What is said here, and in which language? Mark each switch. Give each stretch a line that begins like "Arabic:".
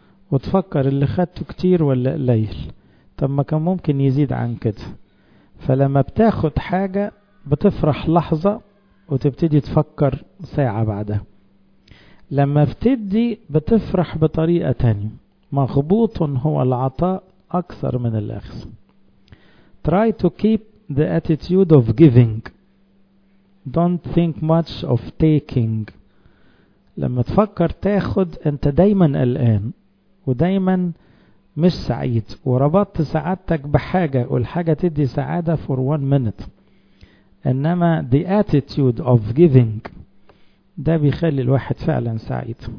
Arabic: وتفكر اللي خدته كتير ولا قليل. طب ما كان ممكن يزيد عن كده. فلما بتاخد حاجة بتفرح لحظة وتبتدي تفكر ساعة بعدها. لما بتدي بتفرح بطريقة تانية. مغبوط هو العطاء أكثر من الأخذ.
English: Try to keep the attitude of giving. Don't think much of taking.
Arabic: لما تفكر تاخد أنت دايما قلقان ودايما مش سعيد وربطت سعادتك بحاجة والحاجة تدي سعادة
English: for one minute.
Arabic: إنما
English: the attitude of giving
Arabic: ده بيخلي الواحد فعلا سعيد.